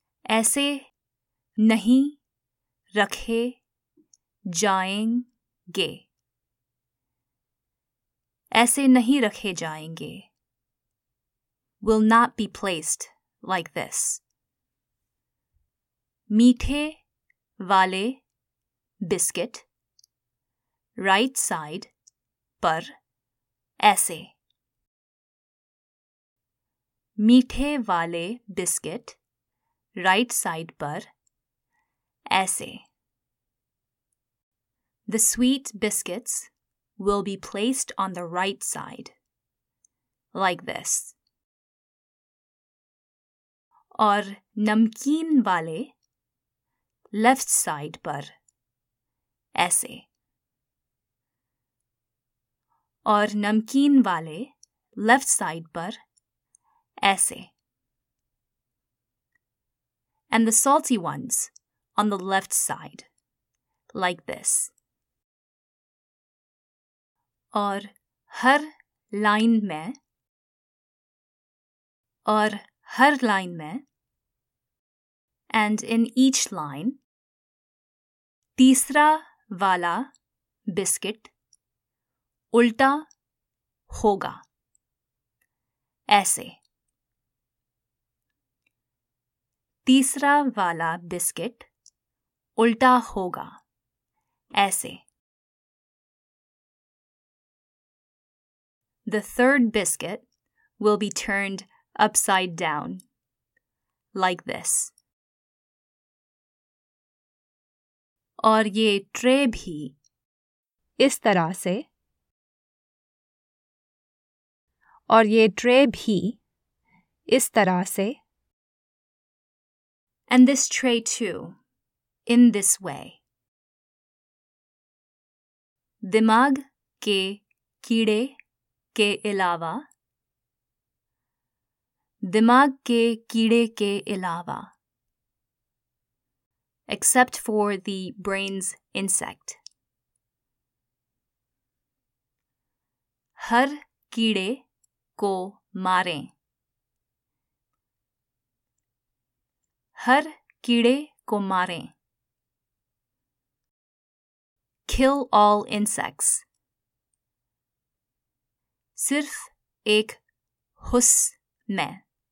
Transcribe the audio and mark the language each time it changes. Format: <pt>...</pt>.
<hi>ऐसे नहीं रखे जाएंगे। ऐसे नहीं रखे जाएंगे।</hi> <en>Will not be placed like this.</en> <hi>मीठे वाले बिस्कुट। Right side पर ऐसे। मीठे वाले बिस्कुट। Right side पर ऐसे।</hi> <en>The sweet biscuits will be placed on the right side. Like this.</en> <hi>और नमकीन वाले left side पर ऐसे। और नमकीन वाले left side पर ऐसे।</hi> <en>And the salty ones on the left side, like this.</en> <hi>और हर लाइन में। और हर लाइन में।</hi> <en>And in each line,</en> <hi>तीसरा वाला biscuit उल्टा होगा ऐसे। तीसरा वाला बिस्कुट उल्टा होगा ऐसे।</hi> <en>The third biscuit will be turned upside down like this.</en> <hi>और ये ट्रे भी इस तरह से। और ये ट्रे भी इस तरह से।</hi> <en>And this tray too, in this way.</en> <hi>दिमाग के कीड़े के इलावा। Dimag ke kide ke ilawa.</hi> <en>Except for the brain's insect.</en> <hi>Har kide ko mare. हर कीड़े को मारे।</hi> <en>Kill all insects.</en> <hi>सिर्फ़ एक हस में।</hi>